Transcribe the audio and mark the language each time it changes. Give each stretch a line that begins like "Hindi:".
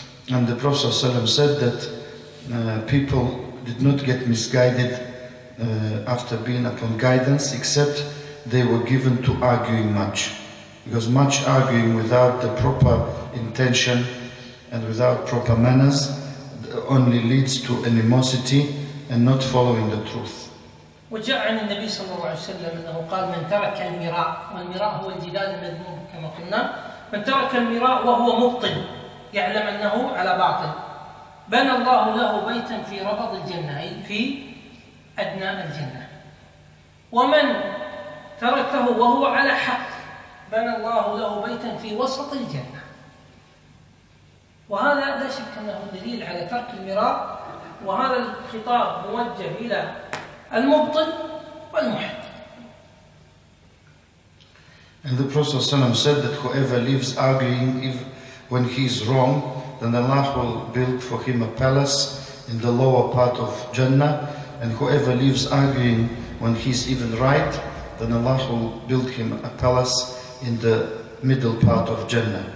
English: And the Prophet ﷺ said that people did not get misguided after being upon guidance, except they were given to arguing much. Because much arguing without the proper intention and without proper manners only leads to animosity and not following the truth.
Arabic: وجاء عن النبي صلى الله عليه وسلم أنه قال من ترك المراء، والمراء هو الجدال المذموم كما قلنا، من ترك المراء وهو مبطل يعلم أنه على باطل، بنى الله له بيتا في ربض الجنة أي في أدنى الجنة، ومن تركه وهو على حق بنى الله له بيتا في وسط الجنة. وهذا لا شك أنه دليل على ترك المراء، وهذا الخطاب موجه إلى المبطل والمحق.
English: And the Prophet ﷺ said that whoever leaves arguing if when he is wrong, then Allah will build for him a palace in the lower part of Jannah, and whoever leaves arguing when he is even right, then Allah will build him a palace in the middle part of Jannah.